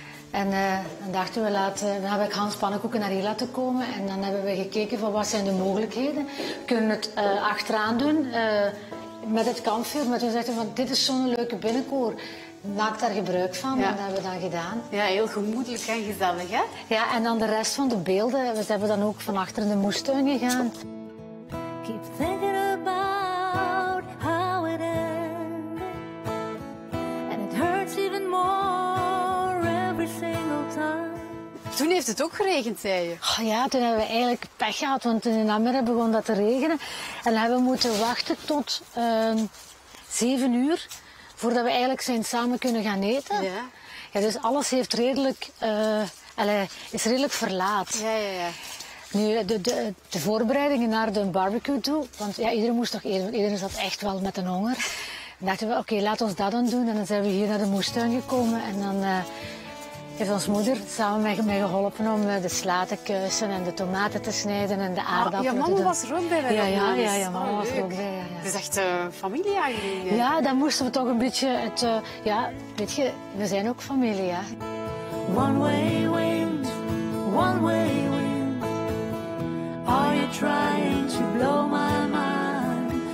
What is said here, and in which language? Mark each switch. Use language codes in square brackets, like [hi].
[nl] En dan dachten we, dan heb ik Hans Pannenkoeken naar hier laten komen en dan hebben we gekeken van wat zijn de mogelijkheden. Kunnen we het achteraan doen met het kampvuur, maar toen dachten we van dit is zo'n leuke binnenkoor. Maak daar gebruik van, ja. En dat hebben we dan gedaan. Ja, heel gemoedelijk en gezellig, hè? Ja, en dan de rest van de beelden. We hebben dan ook van achter in de moestuin gegaan. [en] Keep thinking about how it ended. And it hurts even more every single time. [nl] Toen heeft het ook geregend, zei je? Oh ja, toen hebben we eigenlijk pech gehad, want toen in Amerika begon dat te regenen. En dan hebben we moeten wachten tot 7 uur. Voordat we eigenlijk zijn samen kunnen gaan eten. Ja. Ja, dus alles heeft redelijk, is redelijk verlaat. Ja, ja, ja. Nu, de voorbereidingen naar de barbecue toe. Want ja, iedereen moest toch eten. Iedereen zat echt wel met een honger. Dan dachten we, oké, laat ons dat dan doen. En dan zijn we hier naar de moestuin gekomen. En dan heeft onze moeder samen met mij geholpen om de sla te kussen en de tomaten te snijden en de aardappelen. Ja, mama was er ook bij. Het is echt familie eigenlijk. Ja, dan moesten we toch een beetje het... ja, weet je, we zijn ook familie, hè. [en] One way wind, one way wind. Are you trying to blow my mind?